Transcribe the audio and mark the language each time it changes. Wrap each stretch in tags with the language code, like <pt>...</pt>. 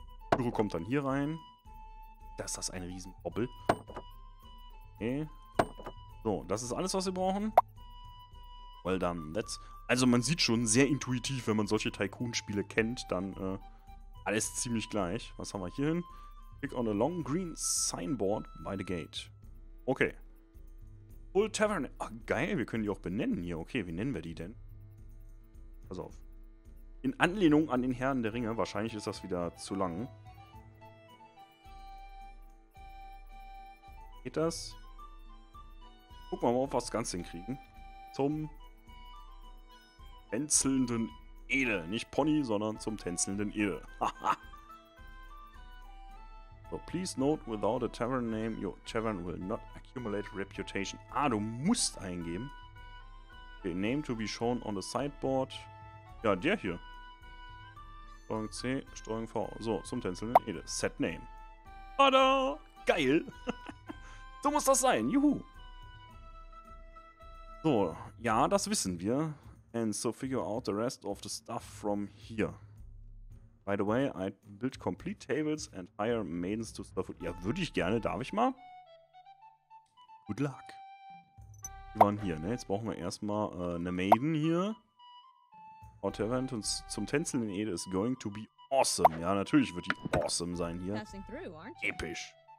<de>Büro kommt dann hier rein. Das ist das ein Riesenbobbel. Okay. So, das ist alles, was wir brauchen.</de> <en>Well done. That's.</en> <de>Also man sieht schon, sehr intuitiv, wenn man solche Tycoon-Spiele kennt, dann alles ziemlich gleich. Was haben wir hier hin?</de> <en>Click on a long green signboard by the gate. Okay. Full Tavern.</en> <de>Ach, geil, wir können die auch benennen hier. Okay, wie nennen wir die denn? Pass auf. In Anlehnung an den Herrn der Ringe. Wahrscheinlich ist das wieder zu lang. Geht das? Gucken wir mal, ob wir das Ganze hinkriegen. Zum tänzelnden Edel. Nicht Pony, sondern zum tänzelnden Edel.</de> <en>So, please note, without a tavern name, your tavern will not accumulate reputation.</en> <de>Ah, du musst eingeben. Okay,</de> <en>name to be shown on the sideboard.</en> <de>Ja, der hier. Steuerung C, Steuerung V. So, zum tänzelnden Edel.</de> <en>Set name.</en> <de>Tada! Geil! So muss das sein. Juhu! So, ja, das wissen wir.</de> <en>And so figure out the rest of the stuff from here. By the way, I build complete tables and hire maidens to serve food.</en> <de>Ja, würde ich gerne. Darf ich mal?</de> <en>Good luck.</en> <de>Wir waren hier, ne? Jetzt brauchen wir erstmal eine Maiden hier.</de> <en>Our tavern zum Tänzeln in Ede is going to be awesome.</en> <de>Ja, natürlich wird die awesome sein hier. Episch.</de>